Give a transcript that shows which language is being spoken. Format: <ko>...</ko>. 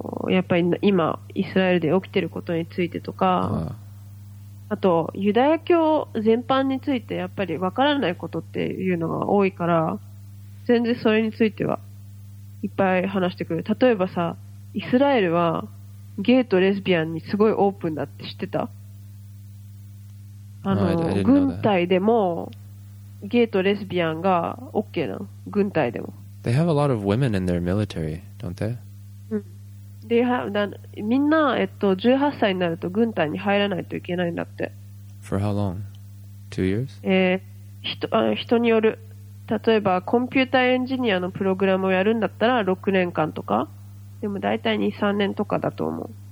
<ja>やっぱり今イスラエルで起きてることについてとか、あとユダヤ教全般についてやっぱりわからないことっていうのが多いから、全然それについてはいっぱい話してくる。例えばさ、イスラエルはゲイとレズビアンにすごいオープンだって知ってた？</ja> <en>No,</en> <ja>軍隊でもゲイとレズビアンが OK なの。軍隊でも。</ja> <en>They have a lot of women in their military, don't they? うん。They have that.</en> <ja>みんな18歳になると軍隊に入らないといけないんだって。</ja> <en>For how long? 2 years?</en> <ja>人による。例えばコンピューターエンジニアのプログラムをやるんだったら6年間とか、でも大体 2,3 年とかだと思う。</ja>